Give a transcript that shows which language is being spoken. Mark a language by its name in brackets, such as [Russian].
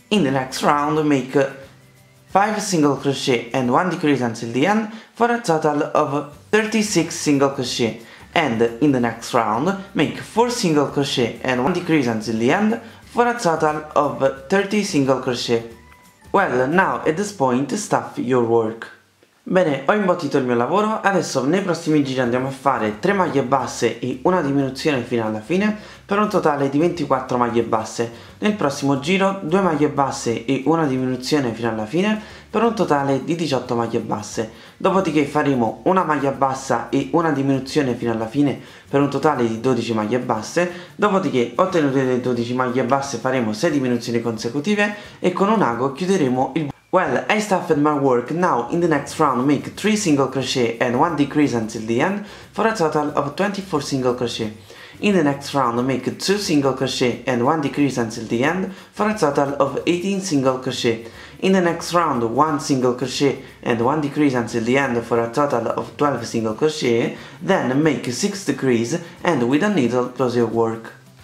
[English] In the next round make 5 single crochet and 1 decrease until the end for a total of 36 single crochet. And in the next round make 4 single crochet and 1 decrease until the end for a total of 30 single crochet. Well, now at this point stuff your work. [Italian] Bene, ho imbottito il mio lavoro, adesso nei prossimi giri andiamo a fare 3 maglie basse e una diminuzione fino alla fine per un totale di 24 maglie basse. Nel prossimo giro 2 maglie basse e una diminuzione fino alla fine per un totale di 18 maglie basse. Dopodiché faremo una maglia bassa e una diminuzione fino alla fine per un totale di 12 maglie basse. Dopodiché ottenute le 12 maglie basse faremo 6 diminuzioni consecutive e con un ago chiuderemo il. [English] Well, I stuffed my work, now in the next round make 3 single crochet and 1 decrease until the end for a total of 24 single crochet. In the next round make 2 single crochet and 1 decrease until the end for a total of 18 single crochet. In the next round 1 single crochet and 1 decrease until the end for a total of 12 single crochet, then make 6 decrees and with a needle close your work.